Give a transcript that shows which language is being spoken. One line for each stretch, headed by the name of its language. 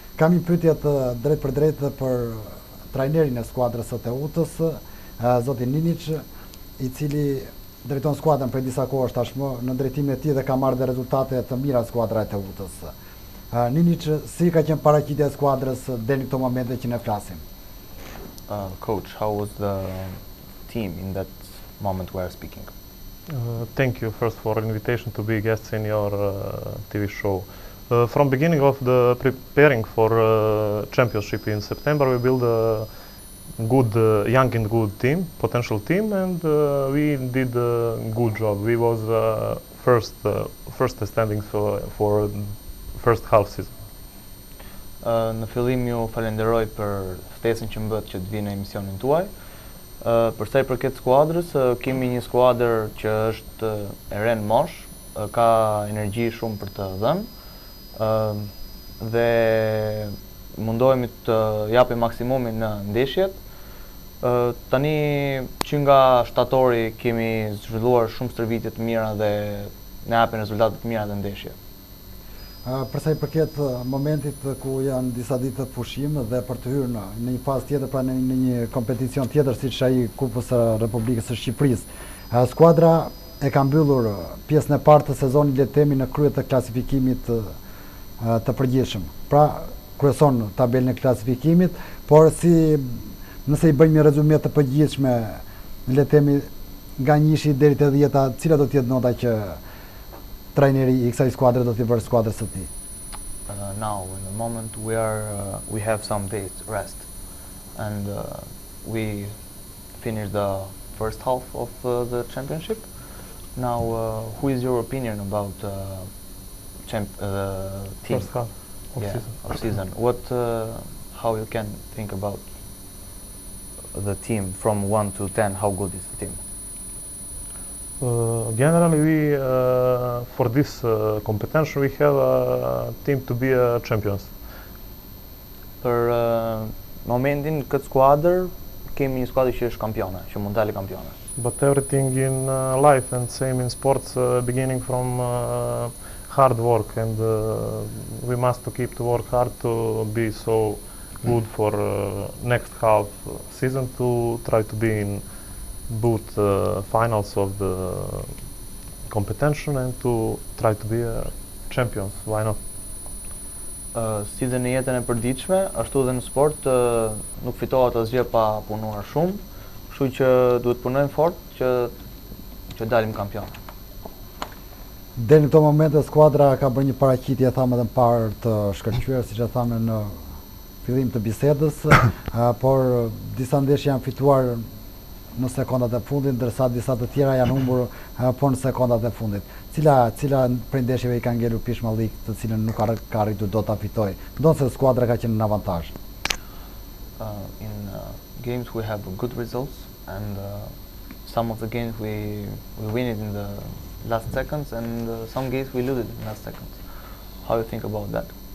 Albanian: Kam një pyetje të drejtë për drejtë për trajnerin e skuadrës së TUT-s, zotin Ninić, i cili drejton skuadrën prej disa kohësh tashmë në drejtimin e tij dhe ka marrë dhe rezultate të mira skuadra e TUT-s. Ninić, si ka qenë paraqitja e skuadrës deri në këto momente që ne flasim?
English: Coach, how was the team in that moment we are speaking? Thank you first for invitation to be a guest in your TV show. From beginning of the preparing for championship in September, we build a good, young and good team, potential team, and we did a good job. We was first standing for first half season.
Albanian: Në fillim ju falenderoj për ftesën që mbët që të vinë në emisionin tuaj. Përsa i përket skuadrës, kemi një skuadër që është e rend mosh, ka energji shumë për të dhënë. Dhe mundohemi të japim maksimumin në ndeshjet. Tani që nga shtatori kemi zhvilluar shumë stërvitje të mira dhe ne japim rezultate të mira në ndeshjet. Përsa i përket momentit ku janë disa ditë të pushim dhe për të hyrë në një fazë tjetër, pra në një kompeticion tjetër siç ai Kupës së Republikës së Shqipërisë. Skuadra e ka mbyllur pjesën e parë të sezonit le të themi në krye të klasifikimit të përgjithshëm. Pra, kryeson tabelën e klasifikimit, por si nëse i bëjmë një rezume të përgjithshme, le të themi nga 1-shi deri te 10-ta, cila do të jetë nota që trajneri i kësaj skuadre do t'i vërë skuadrës së tij?
English: Now in the moment we are we have some days rest and we finished the first half of the championship. Now who is your opinion about team first half of season. Of season. What how you can think about the team from 1 to 10, how good is the team? Generally we for this competition we have a team to be a champions.
Albanian: Për momentin këtë skuadër kemi një skuadër që është kampione, që mund të dalë kampione.
English: But everything in life and same in sports beginning from hard work and we must to keep to work hard to be so good for next half season to try to be in both finals of the competition and to try to be a champions, why not?
Albanian: Si dhe në jetën e përditshme, ashtu dhe në sport, nuk fitohet asgjë pa punuar shumë, kështu që duhet punojmë fort që dalim kampionë. Deri në këto momente skuadra ka bërë një paraqitje thamë edhe më parë të shkëlqyer siç e thamë në fillim të bisedës, por disa ndeshje janë fituar në sekondat e fundit, ndërsa disa të tjera janë humbur po në sekondat e fundit. Cila prej ndeshjeve i ka ngelur pishmallik, të cilën nuk ka arritur dot ta fitoj? Ndonëse skuadra ka qenë në avantazh.
English: In games we have good results and some of the games we win it in the last seconds and some games we lose it in last seconds. How you think about that?